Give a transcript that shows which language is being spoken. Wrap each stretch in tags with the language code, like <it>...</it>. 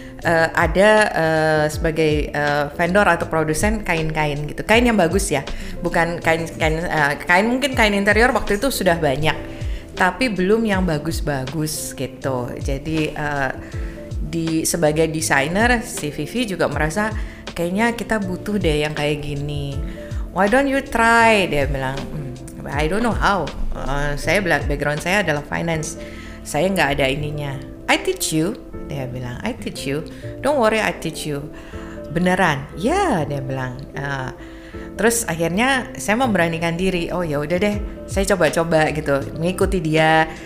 <id>ada sebagai vendor atau produsen kain-kain gitu, kain yang bagus ya, bukan kain mungkin kain interior waktu itu sudah banyak, tapi belum yang bagus-bagus gitu. Jadi di sebagai desainer, si Vivi juga merasa kayaknya kita butuh deh yang kayak gini.</id> <en>Why don't you try?</en> <id>Dia bilang,</id> <en>I don't know how.</en> <id>Saya background saya adalah finance. Saya nggak ada ininya.</id> <en>I teach you,</en> <id>dia bilang.</id> <en>I teach you. Don't worry, I teach you.</en> <id>Beneran? Ya,</id> <en>yeah,</en> <id>dia bilang. Terus akhirnya saya memberanikan diri. Oh ya udah deh, saya coba-coba gitu, mengikuti dia.</id>